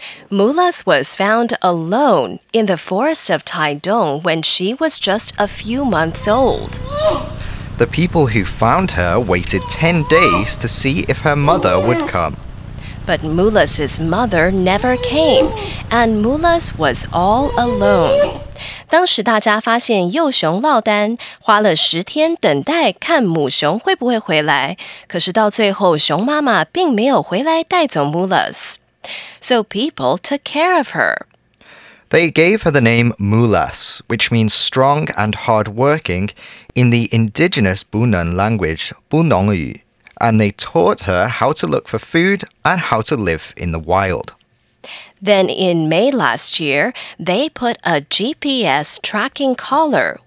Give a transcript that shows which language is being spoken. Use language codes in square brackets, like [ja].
[en] Mulas was found alone in the forest of Taidong when she was just a few months old. The people who found her waited 10 days to see if her mother would come. But Mulas' mother never came, and Mulas was all alone. [zh] 当时大家发现幼熊落单，花了十天等待看母熊会不会回来，可是到最后熊妈妈并没有回来带走 Mulas. [en] So people took care of her. They gave her the name Mulas, which means strong and hard-working in the indigenous Bunan language, Bunongyu, and they taught her how to look for food and how to live in the wild. Then in May last year, they put a GPS tracking collar,